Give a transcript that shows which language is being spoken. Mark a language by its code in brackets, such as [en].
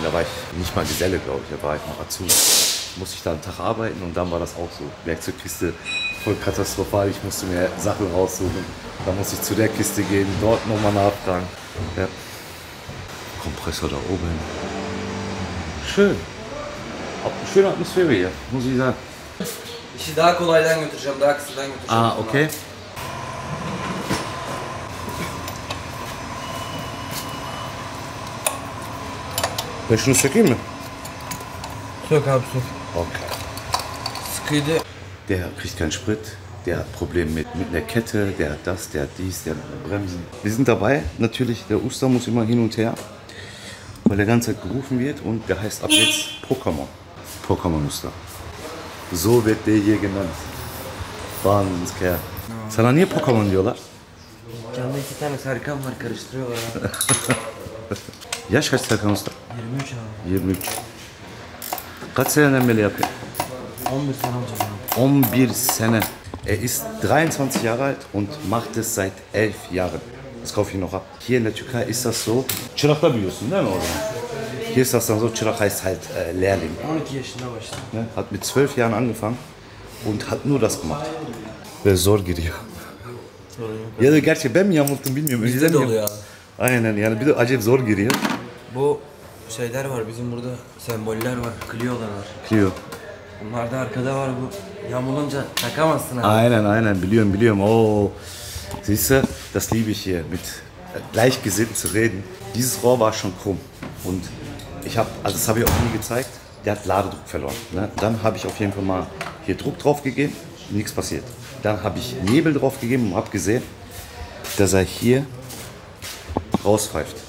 [de] Da war ich nicht mal Geselle, glaube ich, da war ich noch Azubi. Musste ich da einen Tag arbeiten und dann war das auch so. Werkzeugkiste, voll katastrophal, ich musste mir Sachen raussuchen. Dann musste ich zu der Kiste gehen, dort nochmal nachfragen. Ja. Kompressor da oben. Schön. Auch eine schöne Atmosphäre hier, muss ich sagen. Ich da [tr] kolay lan götüreceğim, da kısa lan götüreceğim. Aa, okay. Ben şunu sökeyim mi? Sök abi, sök. Okay. Sıkıydı. [de] Der kriegt keinen Sprit, der hat Probleme mit der Kette, der hat das, der hat dies, der hat Bremsen. Wir sind dabei, natürlich, der Uster muss immer hin und her, weil der ganze Zeit gerufen wird und der heißt ab jetzt Pokémon. Pokémon Uster. So wird der hier genannt. Wahnsinnskerl. Ja. [tr] Sana niye Pokémon diyorlar? Kendi iki tane Serkan var, karıştırıyorlar. Yaş kaç Serkan Usta? 23 abi. 23. Kaç seneden beri yapıyor? 11 sene olacak abi. 11 sene. [de] Ist 23 Jahre alt und macht es seit 11 Jahren. Das kaufe ich noch ab. Hier in der Türkei ist das so. [tr] Çırak'ta büyüyorsun değil mi oradan? [de] Hier ist das dann so, Çırak heißt halt Lehrling. [tr] 12 yaşında başladı. Ne? [de] Hat mit 12 Jahren angefangen und hat nur das gemacht. [tr] Ve zor giriyor. Ya da gerçi ben mi yamulttum bilmiyorum. Bizde de oluyor abi. Aynen yani bir de acayip zor giriyor. Bu şeyler var, bizim burada semboller var, Clio'lar var. Clio. Bunlar da arkada var, bu yamulunca takamazsın abi. Aynen aynen, biliyorum biliyorum. Oo. [de] Siehst du, das liebe ich hier, mit Gleichgesinnten zu reden. Dieses Rohr war schon krumm. Und ich habe, also das habe ich auch nie gezeigt, der hat Ladedruck verloren. Ne? Dann habe ich auf jeden Fall mal hier Druck drauf gegeben, nichts passiert. Dann habe ich Nebel drauf gegeben und habe gesehen, dass er hier rauspfeift.